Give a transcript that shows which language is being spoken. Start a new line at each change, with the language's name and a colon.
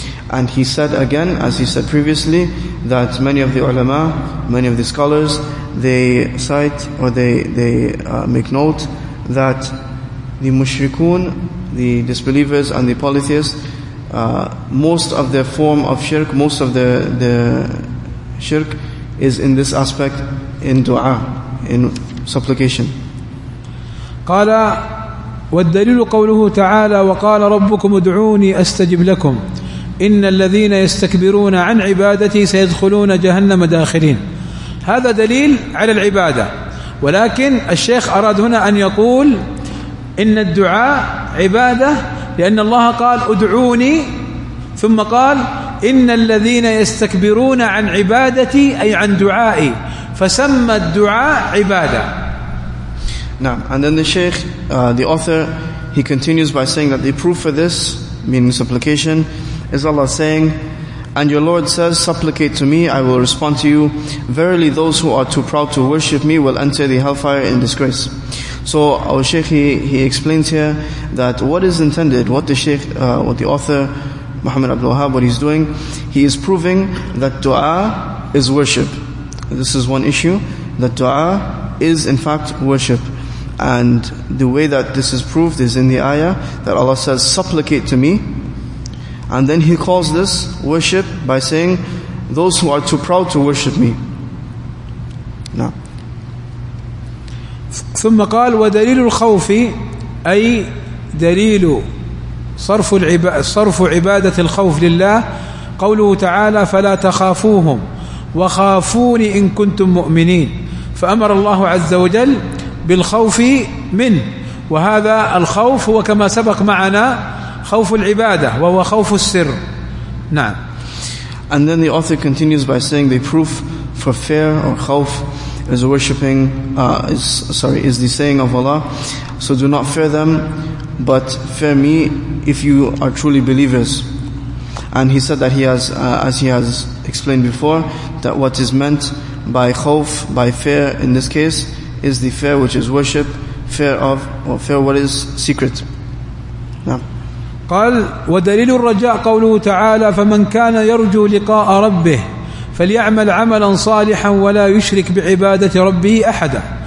English: And he said again, as he said previously, that many of the ulama, many of the scholars, they cite or make note that the mushrikun, the disbelievers and the polytheists, most of their form of shirk, most of the shirk is in this aspect, in dua, in supplication.
Arabic: Qala, والدليل قوله تعالى وقال ربكم ادعوني استجب لكم إن الذين يستكبرون عن عبادتي سيدخلون جهنم داخلين. هذا دليل على العبادة. ولكن الشيخ أراد هنا أن يقول إن الدعاء عبادة، لأن الله قال ادعوني ثم قال إن الذين يستكبرون عن عبادتي أي عن دعائي، فسمى الدعاء عبادة.
English: Now, and then the Shaykh, the author, he continues by saying that the proof for this, meaning supplication, is Allah saying, and your Lord says, supplicate to me, I will respond to you. Verily those who are too proud to worship me will enter the hellfire in disgrace. So our Shaykh, he explains here that what is intended, what the Shaykh, what the author, Muhammad Abdul Wahab, what he's doing, he is proving that dua is worship. This is one issue, that dua is in fact worship. And the way that this is proved is in the ayah that Allah says, supplicate to me. And then He calls this worship by saying, those who are too proud to worship me. Now.
Arabic: ثم قال ودليل الخوف أي دليل صرف عبادة الخوف لله قوله تعالى فلا تخافوهم وخافوني إن كنتم مؤمنين. فأمر الله عز وجل بالخوف منه، وهذا الخوف هو كما سبق معنا خوف العبادة وهو خوف السر. نعم.
English: And then the author continues by saying the proof for fear or khawf is worshipping, is the saying of Allah, so do not fear them but fear me if you are truly believers. And he said that he has, as he has explained before, that what is meant by khawf, by fear in this case, is the fear which is worship, fear of, or fear what is secret. Now.
Arabic: قال ودليل الرجاء قوله تعالى فمن كان يرجو لقاء ربه فليعمل عملا صالحا ولا يشرك بعبادة ربه أحدا.